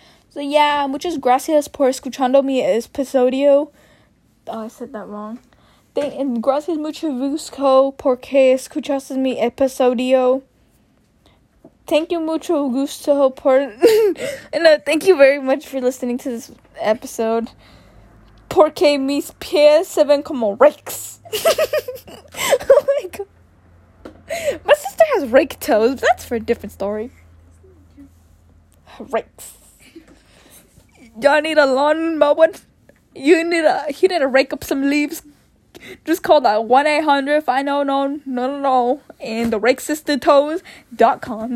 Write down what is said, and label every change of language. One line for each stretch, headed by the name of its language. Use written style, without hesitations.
English: So yeah,
Spanish: muchas gracias por escuchando mi episodio.
English: Oh, I said that wrong. And
Spanish: gracias mucho gusto porque escuchaste mi episodio.
English: Thank you
Spanish: mucho gusto por...
English: And thank you very much for listening to this episode.
Spanish: Porque mis pies se ven como
English: rakes. Oh my god. My sister has rake toes, but that's for a different story. Rakes. Y'all need a lawn mower? You need to rake up some leaves? Just call that 1-800-FINE-NO-NO-NO-NO-NO and the rakesistertoes.com.